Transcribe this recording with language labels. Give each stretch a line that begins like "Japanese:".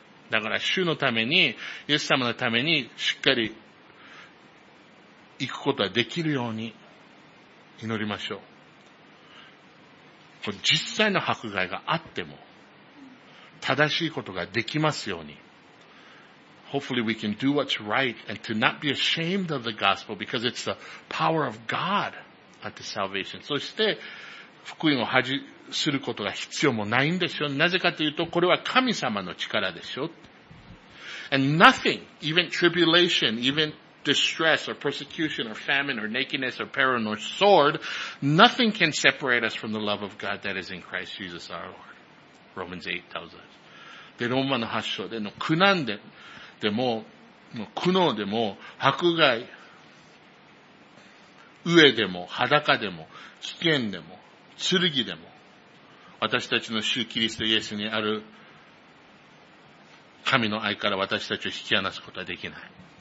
Japanese: だから主のために、イエス様のためにしっかり行くことができるように祈りましょう。これ実際の迫害があっても、正しいことができますように。
English: Hopefully we can do what's right and to not be ashamed of the gospel because it's the power of God. At the salvation.
Japanese: そして福音を恥することが必要もないんですよ。なぜかというとこれは神様の力でしょ。
English: And nothing, even tribulation, even distress or persecution or famine or nakedness or peril or sword, nothing can separate us from the love of God that is in Christ Jesus our Lord. Romans 8 tells us.
Japanese: で、ローマの8章での苦難で、でも、もう苦悩でも迫害。上でも、裸でも、危険でも、剣でも、私たちの主キリストイエスにある神の愛から私たちを引き離すことはできない。